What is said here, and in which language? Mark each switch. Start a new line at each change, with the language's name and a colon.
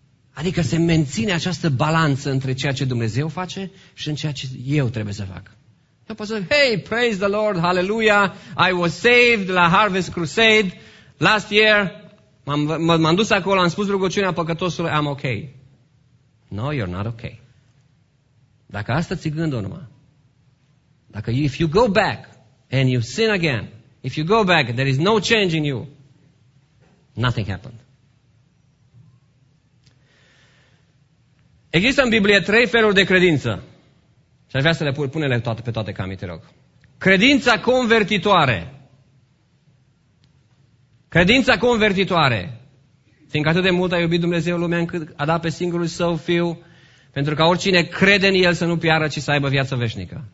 Romanian: Adică se menține această balanță între ceea ce Dumnezeu face și în ceea ce eu trebuie să fac. Eu pot să zic,
English: hey, praise the Lord, hallelujah, I was saved la Harvest Crusade last year.
Romanian: M-am dus acolo, am spus rugăciunea păcătosului,
English: I'm okay. No, you're not okay.
Romanian: Dacă asta ți-e gândul numai, dacă
English: if you go back and you sin again, if you go back, there is no change in you, nothing happened.
Romanian: Există în Biblie trei feluri de credință. Și aș vrea să le punem pe toate cami, te rog. Credința convertitoare. Credința convertitoare. Fiindcă atât de mult a iubit Dumnezeu lumea încât a dat pe singurul său fiu, pentru ca oricine crede în el să nu piară, ci să aibă viață veșnică.